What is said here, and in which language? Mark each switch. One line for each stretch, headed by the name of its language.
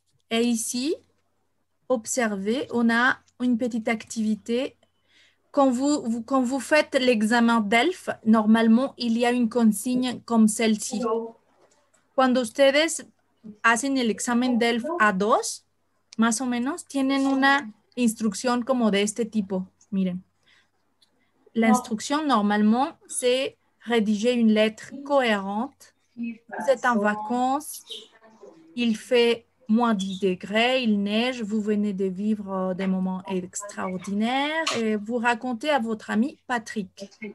French: Et ici, observez, on a une petite activité. Quand vous faites l'examen d'ELF, normalement, il y a une consigne comme celle-ci.
Spanish: Quand ustedes hacen el examen d'ELF A2, más o menos, tienen una instrucción como de este tipo. Miren.
French: L'instruction, normalement, c'est rédiger une lettre cohérente. Vous êtes en vacances, il fait moins 10 degrés, il neige, vous venez de vivre des moments extraordinaires et vous racontez à votre ami Patrick.